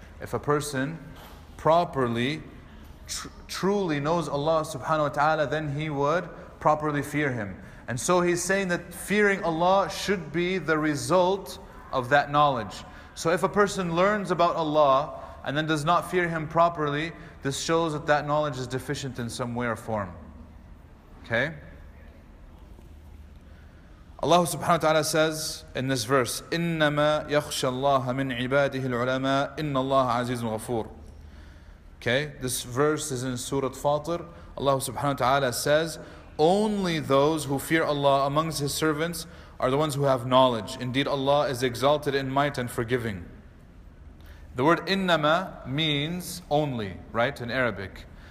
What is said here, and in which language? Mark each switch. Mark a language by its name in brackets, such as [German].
[English] If a person properly, truly knows Allah subhanahu wa ta'ala, then he would properly fear Him. And so he's saying that fearing Allah should be the result of that knowledge. So if a person learns about Allah and then does not fear Him properly, this shows that that knowledge is deficient in some way or form. Okay? Allah subhanahu wa ta'ala says in this verse, [Arabic] إِنَّمَا يَخْشَ اللَّهَ مِنْ عِبَادِهِ الْعُلَمَاءِ إِنَّ اللَّهَ عَزِيزٌ غَفُورٌ. [English] Okay? This verse is in Surah Fatir. Allah subhanahu wa ta'ala says, only those who fear Allah amongst His servants are the ones who have knowledge. Indeed, Allah is exalted in might and forgiving. The word innama means only, right, in Arabic.